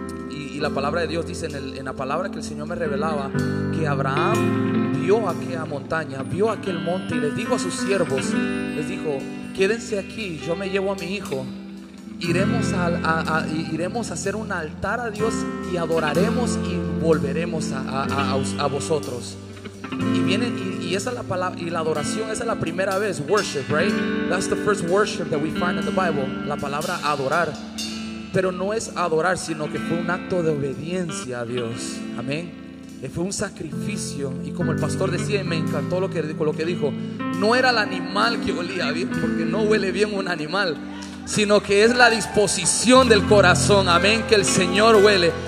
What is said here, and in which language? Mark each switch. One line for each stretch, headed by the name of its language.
Spanish: y la palabra de Dios dice en la palabra que el Señor me revelaba, que Abraham vio aquella montaña, vio aquel monte, y les dijo a sus siervos, les dijo: quédense aquí, yo me llevo a mi hijo, iremos a hacer un altar a Dios y adoraremos y volveremos a vosotros. Y vienen, y esa es la palabra, y la adoración, esa es la primera vez,
English: worship, right? That's the first worship that we find in the Bible,
Spanish: la palabra adorar. Pero no es adorar, sino que fue un acto de obediencia a Dios, amén. Fue un sacrificio, y como el pastor decía, y me encantó lo que dijo, no era el animal que olía bien, porque no huele bien un animal, sino que es la disposición del corazón, amén, que el Señor huele.